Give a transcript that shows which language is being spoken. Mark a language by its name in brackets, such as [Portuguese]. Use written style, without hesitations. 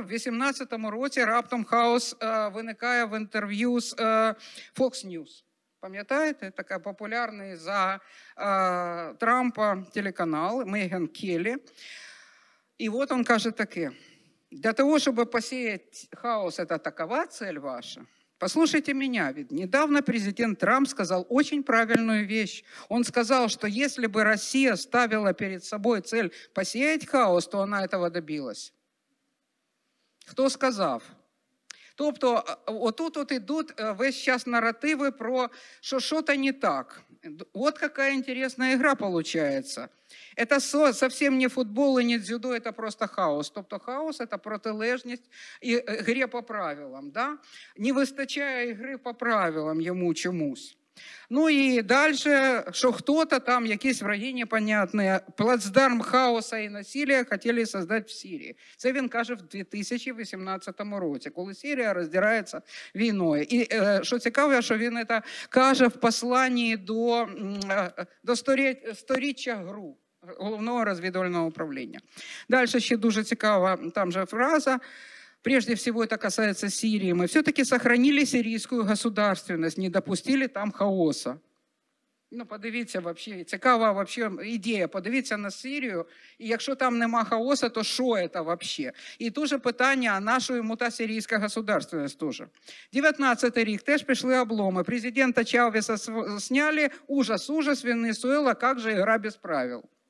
[Ukrainian] В 18-му році раптом хаос виникає в інтерв'ю з Fox News. Пам'ятаєте? Така популярний за Трампа телеканал Меган Келлі. І от він каже таке. Для того, щоб посіяти хаос, це такова ціль ваша? [Russian] Послушайте меня, ведь недавно президент Трамп сказал очень правильную вещь. Он сказал, что если бы Россия ставила перед собой цель посеять хаос, то она этого добилась. Кто сказав? [Ukrainian] Тобто, отут от ідуть весь час наративи про, що що-то не так. От яка інтересна гра виходить. [Russian] Это совсем не футбол и не дзюдо, это просто хаос. Тобто хаос – это протилежність и игре по правилам. Да? [Ukrainian] Не вистачає игры по правилам ему чомусь. [Russian] Ну и дальше, что кто-то там, якісь враги непонятные, плацдарм хаоса и насилия хотели создать в Сирии. [Ukrainian] Це він каже в 2018 році, коли Сирия раздирается війною. И что цікаво, что він это каже в посланні до 100-річчя ГРУ. [Russian] Головного разведывального управления. Дальше еще [Ukrainian] дуже цікава [Russian] там же фраза. Прежде всего это касается Сирии. Мы все-таки сохранили сирийскую государственность, не допустили там хаоса. [Ukrainian] Ну, подивіться вообще, цікава вообще ідея. Подивіться на Сирію, і якщо там нема хаоса, то що это вообще? І дуже питання нашої мутасирійська государственность тоже. 19-й рік теж пішли обломи. [Russian] Президента Чавеса сняли. Ужас, Венесуэла, [Ukrainian] як же гра без правил.